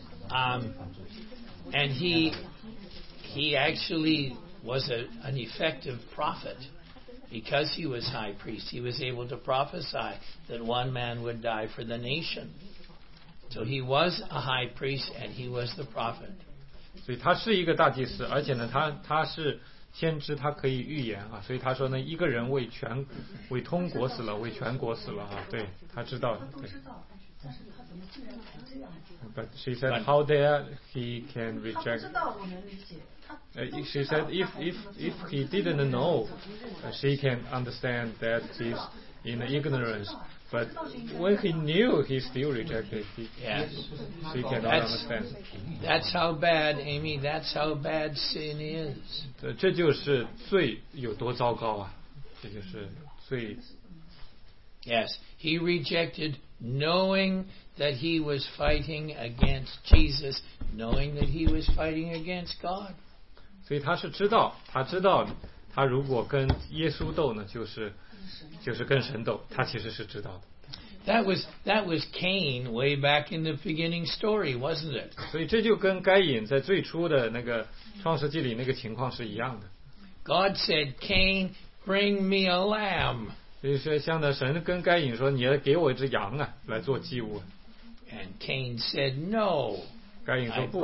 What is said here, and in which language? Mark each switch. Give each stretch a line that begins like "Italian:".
English: And he actually was an effective prophet because he was high priest. He was able to prophesy that one man would die for the nation. So he was a high priest and he was the prophet.
Chinese: 所以他是一个大祭司，而且呢，他是先知，他可以预言啊。所以他说呢，一个人为通国死了，为全国死了啊。对，他知道。对。
English: But she said, but how dare he can reject? She said, if he didn't know, she can understand that he's in ignorance. But when he knew, he still rejected. Yes, she cannot understand. That's how bad, Amy. That's how bad sin is.
Chinese: 这就是罪有多糟糕啊！这就是罪。
English: Yes, he rejected knowing that he was fighting against Jesus, knowing that he was fighting against God.
Chinese: 所以他是知道，他知道他如果跟耶稣斗呢，就是跟神斗，他其实是知道的。
English: That was Cain way back in the beginning story, wasn't it?
Chinese: 所以这就跟该隐在最初的那个创世纪里那个情况是一样的。
English: God said, Cain, bring me a lamb.
Chinese: 所以说像那神跟该隐说，你要给我一只羊啊，来做祭物。
English: And Cain said, no.
Chinese: 该隐说不。